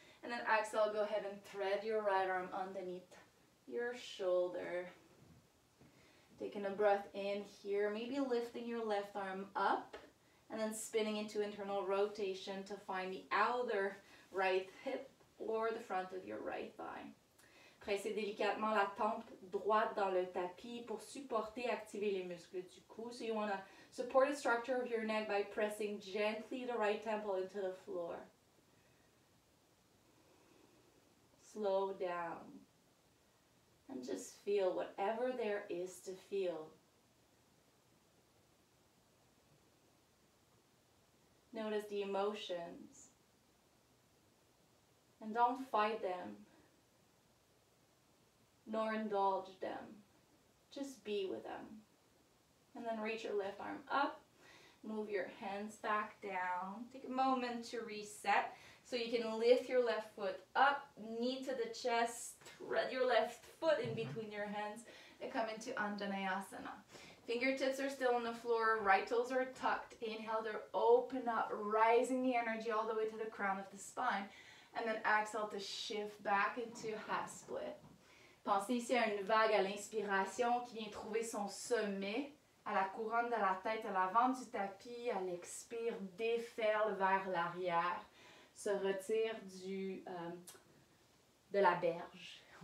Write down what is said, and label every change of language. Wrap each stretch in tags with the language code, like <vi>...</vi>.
<en>And then exhale, go ahead and thread your right arm underneath your shoulder. Taking a breath in here, maybe lifting your left arm up and then spinning into internal rotation to find the outer right hip or the front of your right thigh.</en> <fr>Pressez délicatement la tempe droite dans le tapis pour supporter, activer les muscles du cou.</fr> <en>So you want to support the structure of your neck by pressing gently the right temple into the floor. Slow down. And just feel whatever there is to feel. Notice the emotions. And don't fight them. Nor indulge them. Just be with them. And then reach your left arm up. Move your hands back down. Take a moment to reset. So you can lift your left foot up, knee to the chest, thread your left foot in between your hands, and come into Anjaneyasana. Fingertips are still on the floor, right toes are tucked. Inhale to open up, rising the energy all the way to the crown of the spine. And then exhale to shift back into half split.</en> <fr>Pensez ici à une vague à l'inspiration qui vient trouver son sommet à la couronne de la tête, à l'avant du tapis, à l'expire, déferle vers l'arrière, se retire du de la berge.</fr>